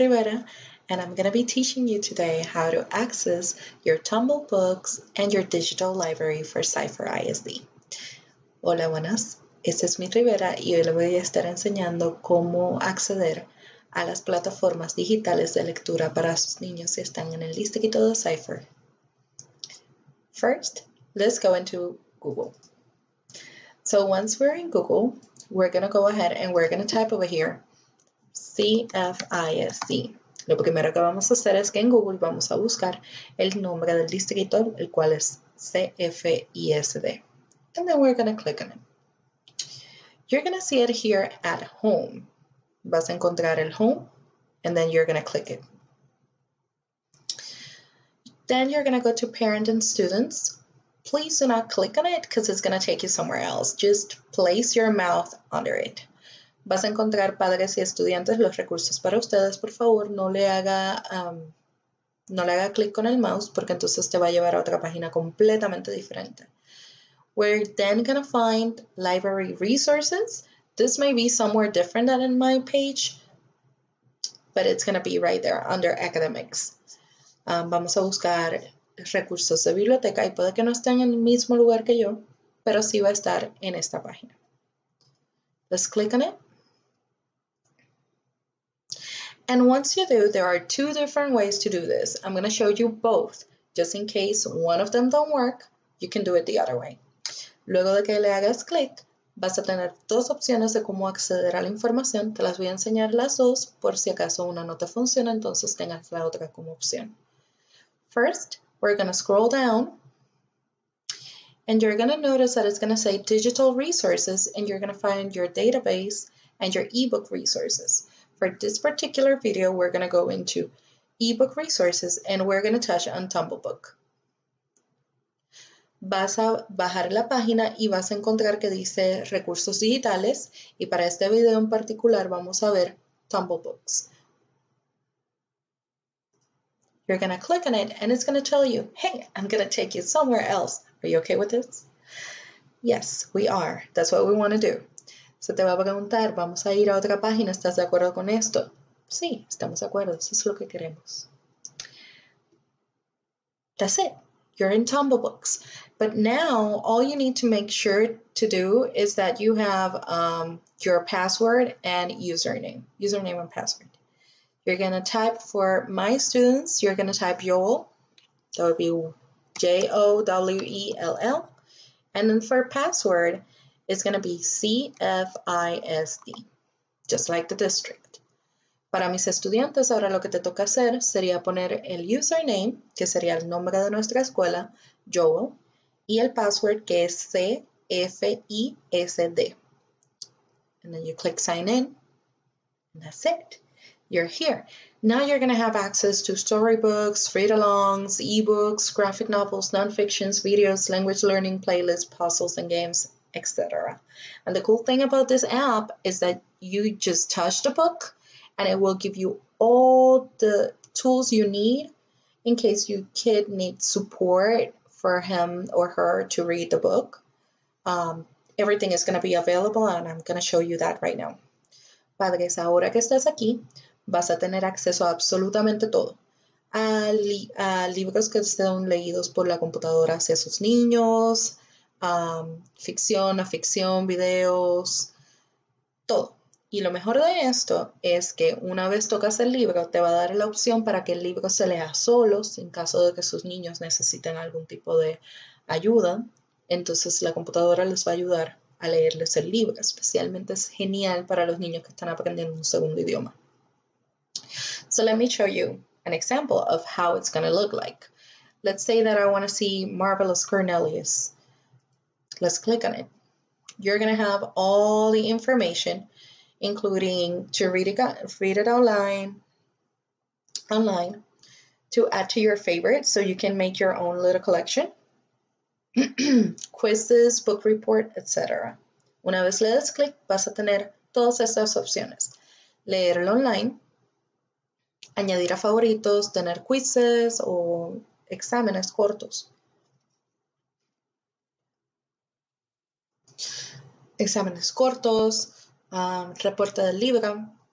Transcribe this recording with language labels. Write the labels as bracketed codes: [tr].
[en] Rivera, and I'm going to be teaching you today how to access your Tumble Books and your digital library for Cipher ISD. [es] Hola, buenas. Este es Ms. Rivera y hoy le voy a estar enseñando cómo acceder a las plataformas digitales de lectura para sus niños que están en el distrito de Cipher. [en] First, let's go into Google. So once we're in Google, we're going to go ahead and we're going to type over here, CFISD. [es] Lo primero que vamos a hacer es que en Google vamos a buscar el nombre del distrito, el cual es CFISD. [en] And then we're going to click on it. You're going to see it here at home. [es] Vas a encontrar el home, [en] and then you're going to click it. Then you're going to go to Parent and Students. Please do not click on it because it's going to take you somewhere else. Just place your mouth under it. [es] Vas a encontrar padres y estudiantes los recursos para ustedes. Por favor, no le haga clic con el mouse porque entonces te va a llevar a otra página completamente diferente. [en] We're then going to find library resources. This may be somewhere different than in my page, but it's going to be right there under academics. [es] Vamos a buscar recursos de biblioteca y puede que no estén en el mismo lugar que yo, pero sí va a estar en esta página. [en] Let's click on it. And once you do, there are two different ways to do this. I'm going to show you both. Just in case one of them don't work, you can do it the other way. [es] Luego de que le hagas clic, vas a tener dos opciones de cómo acceder a la información. Te las voy a enseñar las dos, por si acaso una no te funciona, entonces tengas la otra como opción. [en] First, we're going to scroll down. And you're going to notice that it's going to say digital resources, and you're going to find your database and your ebook resources. For this particular video, we're going to go into ebook resources and we're going to touch on Tumble Book. [es] Vas a bajar la página y vas a encontrar que dice recursos digitales y para este video en particular vamos a ver Tumble Books. [en] You're going to click on it and it's going to tell you, hey, I'm going to take you somewhere else. Are you okay with this? Yes, we are. That's what we want to do. [es] Se te va a preguntar, vamos a ir a otra página, ¿estás de acuerdo con esto? Sí, estamos de acuerdo, eso es lo que queremos. [en] That's it. You're in Tumble Books. But now, all you need to make sure to do is that you have your password and username. Username and password. You're going to type for my students, you're going to type Jowell. That would be J-O-W-E-L-L. And then for password, it's going to be CFISD, just like the district. [es] Para mis estudiantes, ahora lo que te toca hacer sería poner el username, que sería el nombre de nuestra escuela, Jowell, y el password, que es CFISD. [en] And then you click sign in, and that's it. You're here. Now you're going to have access to storybooks, read-alongs, ebooks, graphic novels, nonfictions, videos, language learning playlists, puzzles, and games, etc. And the cool thing about this app is that you just touch the book and it will give you all the tools you need in case your kid needs support for him or her to read the book. Everything is going to be available and I'm going to show you that right now. [es] Padres, ahora que estás aquí, vas a tener acceso a absolutamente todo. A libros que sean leídos por la computadora hacia sus niños, ficción, no ficción, videos, todo. Y lo mejor de esto es que una vez tocas el libro, te va a dar la opción para que el libro se lea solo, en caso de que sus niños necesiten algún tipo de ayuda. Entonces la computadora les va a ayudar a leerles el libro. Especialmente es genial para los niños que están aprendiendo un segundo idioma. [en] So let me show you an example of how it's going to look like. Let's say that I want to see Marvelous Cornelius. Let's click on it. You're going to have all the information, including to read it online, to add to your favorites so you can make your own little collection, quizzes, book report, etc. [es] Una vez le das clic, vas a tener todas estas opciones. Leerlo online, añadir a favoritos, tener quizzes o exámenes cortos. Exámenes cortos, reporte del libro,